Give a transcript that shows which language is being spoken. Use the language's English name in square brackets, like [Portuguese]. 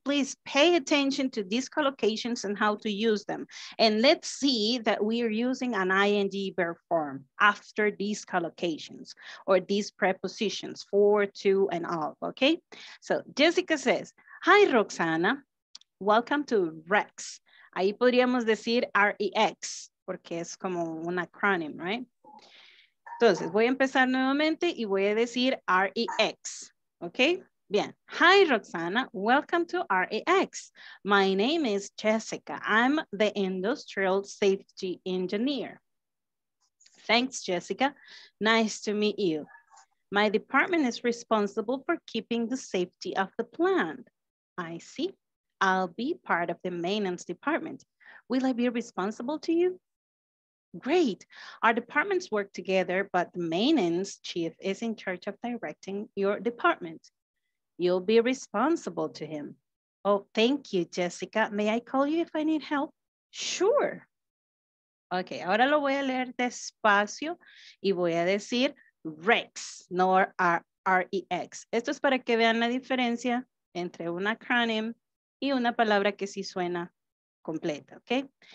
[English] Please pay attention to these collocations and how to use them. And let's see that we are using an ing verb form after these collocations or these prepositions for, to, and of, okay? So Jessica says, hi, Roxana. Welcome to Rex. [Spanish] Ahí podríamos decir R-E-X, porque es como un acronym, right? Entonces, voy a empezar nuevamente y voy a decir R-E-X, ¿ok? Bien. [English] Hi, Roxana. Welcome to R-E-X. My name is Jessica. I'm the industrial safety engineer. Thanks, Jessica. Nice to meet you. My department is responsible for keeping the safety of the plant. I see. I'll be part of the maintenance department. Will I be responsible to you? Great. Our departments work together, but the maintenance chief is in charge of directing your department. You'll be responsible to him. Oh, thank you, Jessica. May I call you if I need help? Sure. [Spanish] Okay, ahora lo voy a leer despacio y voy a decir Rex, no R-E-X. Esto es para que vean la diferencia entre un acronym y una palabra que sí suena completa, okay?